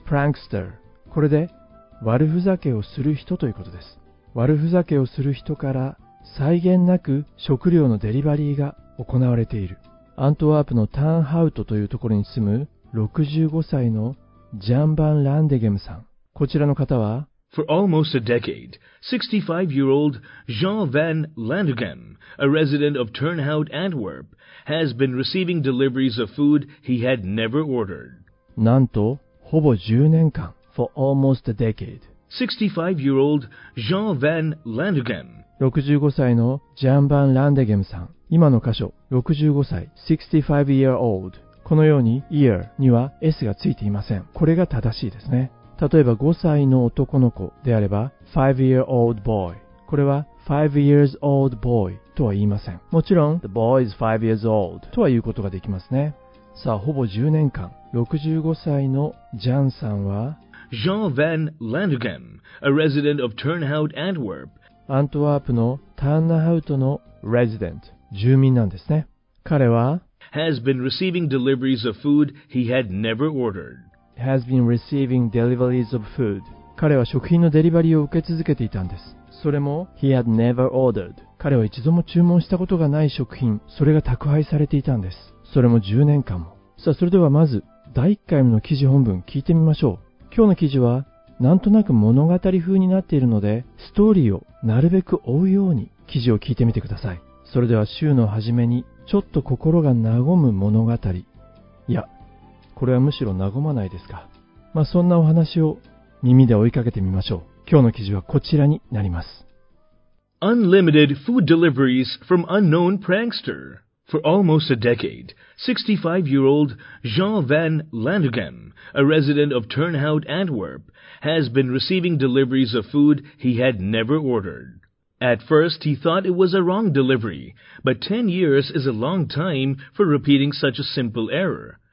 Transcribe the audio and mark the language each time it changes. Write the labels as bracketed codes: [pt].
[ja] Prankster、 これで悪ふざけをする人ということです。悪ふざけをする人から際限なく食料のデリバリーが行われている。アントワープのタンハウトというところに住む65歳のジャンバン・ランデゲムさん、こちらの方は、 [en] For almost a decade, 65-year-old Jean Van Landegem, a resident of Turnhout, Antwerp, has been receiving deliveries of food he had never ordered. [ja] なんと、ほぼ10年間。 [en] For almost a decade. 65-year-old Jean Van Landegem. [ja] 65歳のジャン・バン・ランデゲムさん。今の箇所、65歳、 [en] 65-year-old。 [ja] このように、year には S がついていません。これが正しいですね。例えば5歳の男の子であれば [en] 5-year-old boy、 [ja] これは [en] 5-years-old boy [ja] とは言いません。もちろん [en] The boy is 5 years old [ja] とは言うことができますね。さあ、ほぼ10年間、65歳のジャンさんは、 [en] Jean Van Landegem, a resident of Turnhout, Antwerp。 [ja] アントワープのターンナハウトの resident、 住民なんですね。彼は [en] has been receiving deliveries of food he had never ordered has been receiving deliveries of food。 [ja] 彼は食品のデリバリーを受け続けていたんです。それも [en] he had never ordered。 [ja] 彼は一度も注文したことがない食品、それが宅配されていたんです。それも10年間も。さあ、それではまず第1回目の記事本文聞いてみましょう。今日の記事はなんとなく物語風になっているので、ストーリーをなるべく追うように記事を聞いてみてください。それでは週の初めに、ちょっと心が和む物語、いや、これはむしろ和まないですか。まあ、そんなお話を耳で追いかけてみましょう。今日の記事はこちらになります。 [en] Unlimited food deliveries from unknown prankster. For almost a decade, 65-year-old Jean Van Landegem, a resident of Turnhout, Antwerp, has been receiving deliveries of food he had never ordered. At first, he thought it was a wrong delivery, but 10 years is a long time for repeating such a simple error.